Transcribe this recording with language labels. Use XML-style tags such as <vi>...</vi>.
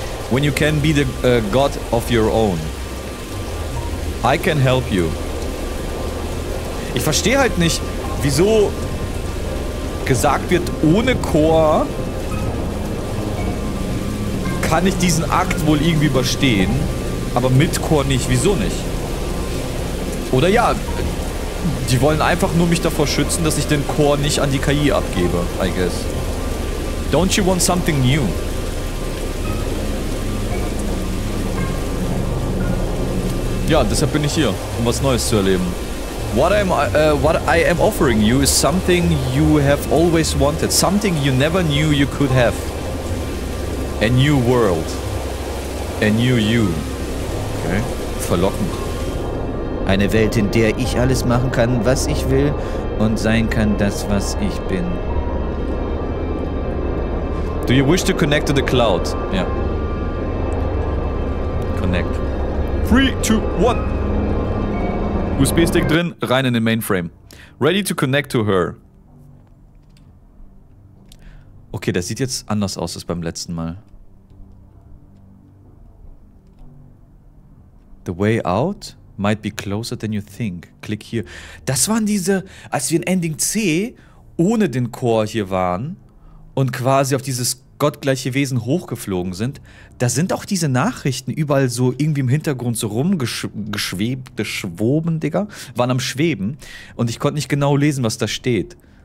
<en>When you can be the god of your own. I can help you.</en> <de>Ich verstehe halt nicht, wieso gesagt wird, ohne Chor kann ich diesen Akt wohl irgendwie überstehen, aber mit Chor nicht. Wieso nicht? Oder ja, die wollen einfach nur mich davor schützen, dass ich den Chor nicht an die KI abgebe,</de> <en>I guess. Don't you want something new?</en> <de>Ja, deshalb bin ich hier, um was Neues zu erleben.</de> <en>What I am offering you is something you have always wanted, something you never knew you could have. A new world. A new you.</en> <de>Okay, verlockend. Eine Welt, in der ich alles machen kann, was ich will und sein kann, das, was ich bin.</de> <en>Do you wish to connect to the cloud?</en> <de>Ja. Connect. 3, 2, 1. USB-Stick drin, rein in den Mainframe.</de> <en>Ready to connect to her.</en> <de>Okay, das sieht jetzt anders aus als beim letzten Mal.</de> <en>The way out might be closer than you think. Click here.</en> <de>Das waren diese, als wir in Ending C ohne den Chor hier waren und quasi auf dieses gottgleiche Wesen hochgeflogen sind, da sind auch diese Nachrichten überall so irgendwie im Hintergrund so waren am Schweben und ich konnte nicht genau lesen, was da steht.</de>